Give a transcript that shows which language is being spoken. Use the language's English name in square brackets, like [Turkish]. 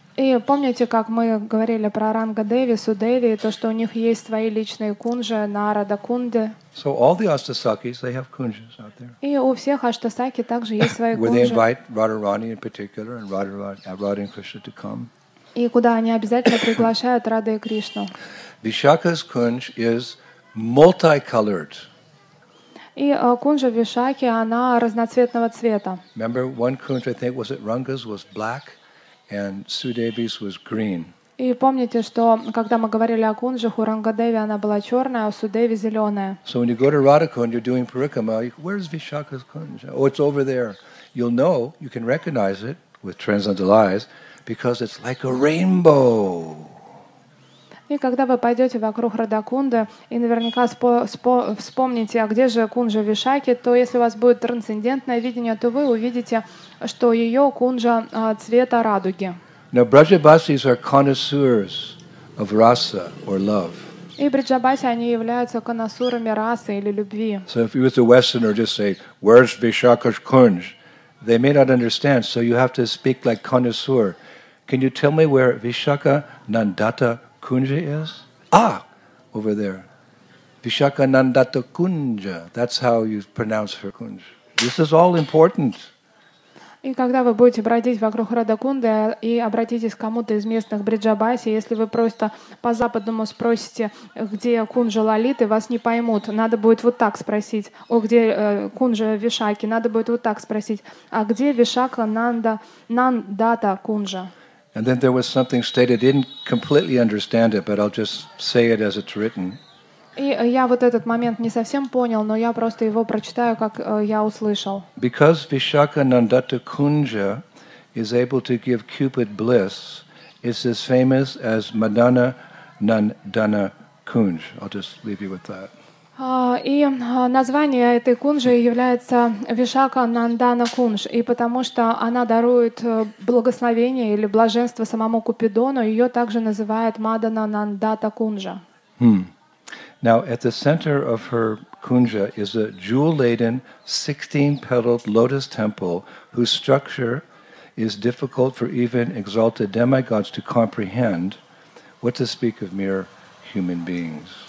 [Russian] И помните, как мы говорили про Ранга Деви, Су Деви, то, что у них есть свои личные кунжи на Радха Кунде. [English] So all the Ashtasakis, they have kunjas out there. [Russian] И у всех Ashtasaki также есть свои кунжи. [English] Where they invite Radharani in particular and Radha and Krishna to come. [Russian] И куда они обязательно приглашают Радху и Кришну. [English] Vishakha's kunj is multicolored. [Russian] И кунжа Вишакхи, она разноцветного цвета. [English] Remember one kunj, I think, was at Ranga's, was black, and Sudevi's was green. [Russian] И помните, что когда мы говорили о кунжах, у Ранга Деви она была черная, а у Судеви зеленая. [English] So when you go to Radha Kunj, you're doing parikrama, where's Vishakha's kunj? Oh, it's over there. You'll know, you can recognize it with transcendental eyes, because it's like a rainbow. [Russian] И когда вы пойдете вокруг Радакунды и наверняка вспомните, а где же кунжа Вишакхи, то если у вас будет трансцендентное видение, то вы увидите, что ее кунжа цвета радуги. [English] Now, Brajabasis are connoisseurs of rasa or love. [Russian] И Бриджабаси, они являются коннессурами расы или любви. [English] So if you as a Westerner just say, "Where's Vishakha's kunj?" They may not understand, so you have to speak like connoisseur. Can you tell me where Vishakha Nandata Kunja is? Ah, over there. Vishakha Nandata Kunja. That's how you pronounce her kunja. This is all important. [Russian] И когда вы будете бродить вокруг Радакунды и обратитесь к кому-то из местных Бриджабаси, если вы просто по-западному спросите, где Кунджа Лалиты, вас не поймут. Надо будет вот так спросить. О, где Кунджа Вишаки? Надо будет вот так спросить. А где Вишака Нанда, Нандата Кунджа? [English] And then there was something stated. I didn't completely understand it, but I'll just say it as it's written. [Russian] И я вот этот момент не совсем понял, но я просто его прочитаю, как я услышал. [English] Because Vishakha Nandata Kunja is able to give Cupid bliss, it's as famous as Madana Nandana Kunj. I'll just leave you with that. [Russian] И название этой кунжи является Вишака Нандана Кунж. И потому что она дарует благословение или блаженство самому Купидону, ее также называют Мадана Нандата Кунжа. [English] Hmm. Now, at the center of her kunja is a jewel-laden 16-petaled lotus temple whose structure is difficult for even exalted demigods to comprehend, what to speak of mere human beings.